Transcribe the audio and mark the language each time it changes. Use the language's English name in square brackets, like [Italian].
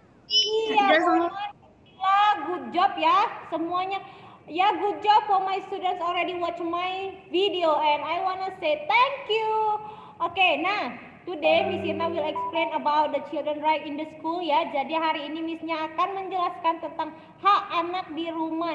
[Indonesian] Iya, [English] good job [Indonesian] ya semuanya. [English] Ya, good job for my students already watch my video and I wanna say thank you. Okay, nah today Miss Irna will explain about the children right in the school ya. [Indonesian] Jadi hari ini Missnya akan menjelaskan tentang hak anak di rumah.